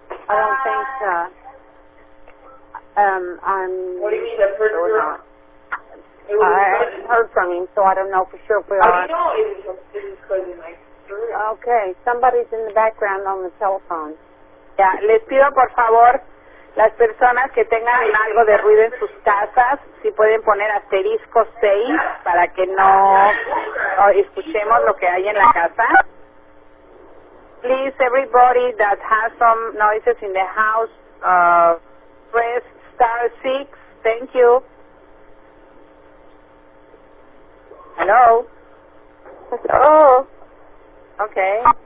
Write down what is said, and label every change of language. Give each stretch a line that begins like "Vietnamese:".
English: I don't think, I haven't heard from him, so I don't know for sure if we are. I know, it was closing my screen. Okay, somebody's in the background on the telephone.
Spanish: Yeah, les pido por favor, las personas que tengan algo de ruido en sus casas, si pueden poner asterisco 6 para que no escuchemos lo que hay en la casa.
English: Please, everybody that has some noises in the house, press star 6. Thank you. Hello. Hello. Okay.